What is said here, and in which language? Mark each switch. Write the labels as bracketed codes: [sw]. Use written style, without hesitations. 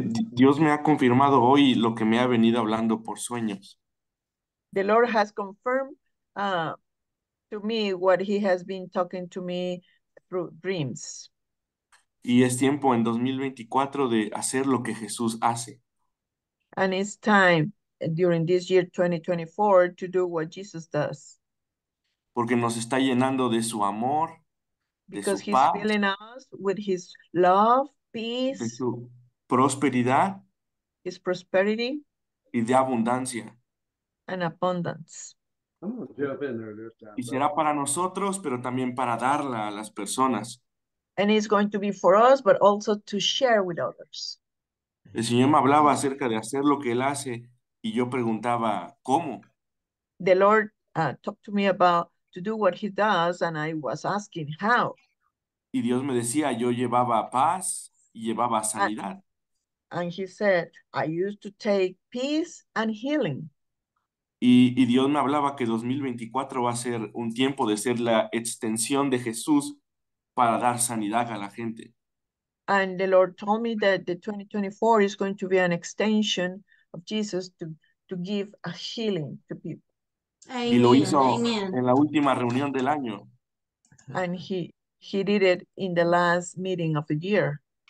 [es] Dios me ha confirmado hoy lo que me ha venido hablando por sueños. [en] The Lord has confirmed to me what he has been talking to me through dreams. [es] Y es tiempo en 2024 de hacer lo que Jesús hace. [en] And it's time during this year 2024 to do what Jesus does. [es] Porque nos está llenando de su amor, [en] because [es] de su paz. [en] Because he's filling us with his love, peace. [es] De su prosperidad. [en] His prosperity. [es] Y de abundancia. [en] And abundance. [es] Y será para nosotros, pero también para darla a las personas. [en] And it's going to be for us, but also to share with others. [es] El Señor me hablaba acerca de hacer lo que Él hace, y yo preguntaba, ¿cómo? [en] The Lord talked to me about to do what He does, and I was asking, how? [es] Y Dios me decía, yo llevaba paz, y llevaba sanidad. [en] And He said, I used to take peace and healing. [es] Y Dios me hablaba que 2024 va a ser un tiempo de ser la extensión de Jesús para dar sanidad a la gente. [en] And the Lord told me that the 2024 is going to be an extension of Jesus to give a healing to people. Amen. [es] Y lo hizo [en] Amen. [es] En la última reunión del año. [en] And he did it in the last meeting of the year.